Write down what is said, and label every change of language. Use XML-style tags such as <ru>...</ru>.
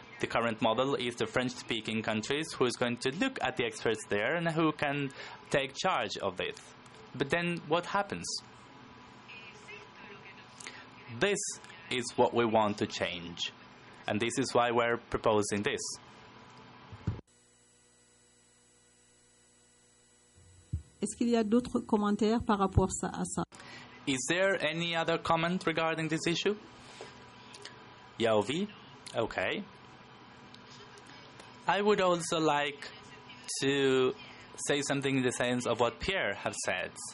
<en>The current model is the French-speaking countries, who is going to look at the experts there and who can take charge of this. But then what happens? This is what we want to change, and this is why we're proposing this.</en> <fr>Est-ce qu'il y a d'autres commentaires par rapport à ça?</fr> <en>Is there any other comment regarding this issue? Yaovi? Okay. I would also like to say something in the sense of what Pierre has said.</en>